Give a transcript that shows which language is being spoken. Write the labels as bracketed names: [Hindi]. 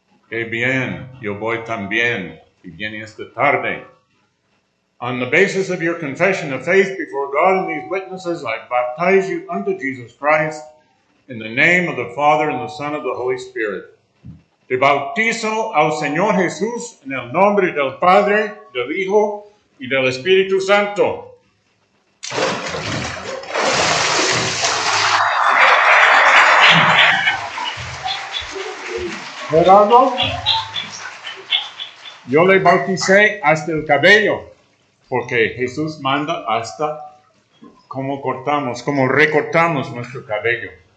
[Spanish] Que bien, yo voy también, y viene esta tarde. [English] On the basis of your confession of faith before God and these witnesses, I baptize you unto Jesus Christ in the name of the Father and the Son of the Holy Spirit. [Spanish] Te bautizo al Señor Jesús en el nombre del Padre, del Hijo, y del Espíritu Santo. Gerardo, yo le bauticé hasta el cabello, porque Jesús manda hasta cómo cortamos, cómo recortamos nuestro cabello.